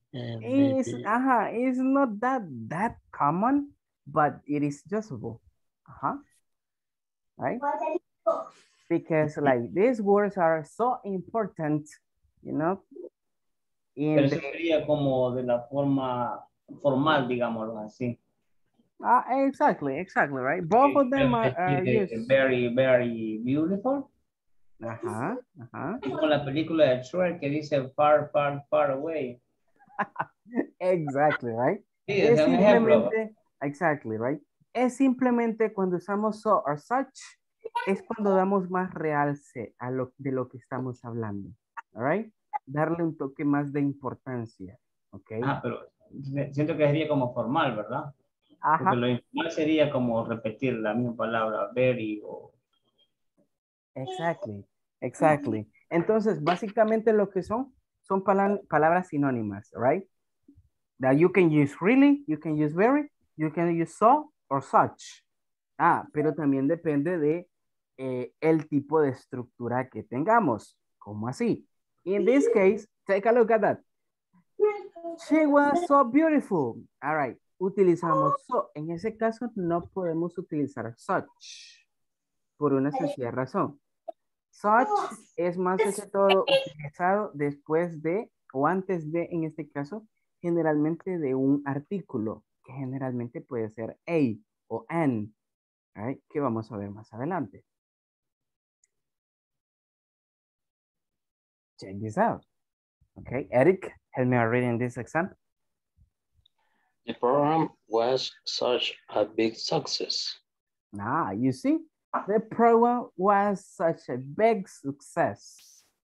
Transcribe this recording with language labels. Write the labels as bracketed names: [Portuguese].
[English] It's not that common, but it is usable. Right? Because like these words are so important, you know. [Spanish] Sería como de la forma formal, digámoslo así. [English] Exactly, right? Both of them are very, very beautiful. [Spanish] Ajá, ajá. Como la película de Shrek que dice [English] far, far, far away. Exactly, right? [Spanish] Sí, es un ejemplo. [English] Exactly, right? [Spanish] Es simplemente cuando usamos so or such, es cuando damos más realce a lo, de lo que estamos hablando. [English] All right? [Spanish] Darle un toque más de importancia. Ok. Ah, pero siento que sería como formal, ¿verdad? Ajá. Porque lo informal sería como repetir la misma palabra, very o... [English] Exactly, exactly. [Spanish] Entonces, básicamente lo que son, son palabras sinónimas, right? [English] That you can use really, you can use very, you can use so or such. [Spanish] Ah, pero también depende de el tipo de estructura que tengamos. ¿Cómo así? [English] In this case, take a look at that. She was so beautiful. All right. [Spanish] Utilizamos so. En ese caso, no podemos utilizar such por una sencilla razón. Such es más que todo utilizado después de, o antes de, en este caso, generalmente de un artículo, que generalmente puede ser a o an, right, que vamos a ver más adelante. [English] Check this out. Okay, Eric, help me read in this example. The program was such a big success. Ah, you see? The program was such a big success.